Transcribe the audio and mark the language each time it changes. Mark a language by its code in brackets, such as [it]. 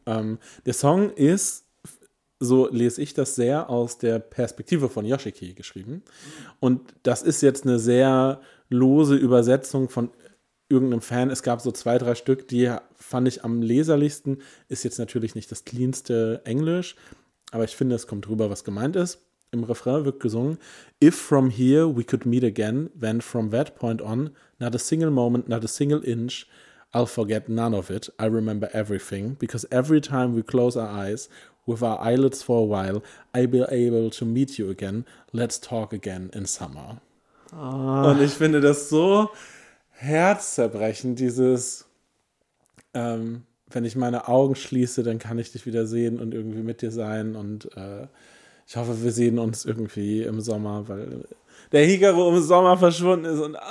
[de] Der Song ist, so lese ich das, sehr aus der Perspektive von Yoshiki geschrieben. Und das ist jetzt eine sehr lose Übersetzung von irgendeinem Fan. Es gab so 2, 3 Stück, die fand ich am leserlichsten. Ist jetzt natürlich nicht das cleanste Englisch, aber ich finde, es kommt rüber, was gemeint ist. Im Refrain wird gesungen, [en] if from here we could meet again, then from that point on, not a single moment, not a single inch, I'll forget none of it. I remember everything, because every time we close our eyes, with our eyelids for a while, I be able to meet you again. Let's talk again in summer. Oh. [de] Und ich finde das so herzzerbrechend, dieses wenn ich meine Augen schließe, dann kann ich dich wieder sehen und irgendwie mit dir sein. Und ich hoffe, wir sehen uns irgendwie im Sommer, weil der Hikaru im Sommer verschwunden ist.